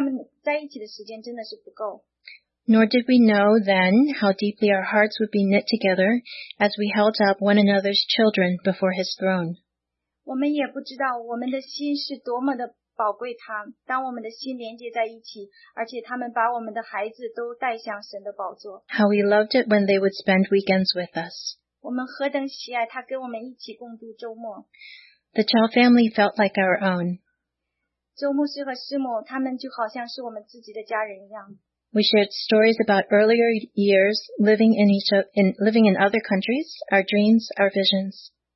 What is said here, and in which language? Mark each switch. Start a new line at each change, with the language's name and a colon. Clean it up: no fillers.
Chinese: 他们的祷告跟我们在回信中分享，也在电话里分享，因为他们没有足够的时间，就是他们在一起的时间真的是不够。
English: Nor did we know then how deeply our hearts would be knit together as we held up one another's children before his throne.
Chinese: 我们也不知道我们的心是多么的宝贵，当我们的心连接在一起，而且他们把我们的孩子都带向神的宝座。
English: How we loved it when they would spend weekends with us.
Chinese: 我们何等喜爱他跟我们一起共度周末。
English: The Chow family felt like our own.
Chinese: 周牧师和师母他们就好像是我们自己的家人一样。
English: We shared stories about earlier years living in other countries, our dreams, our visions.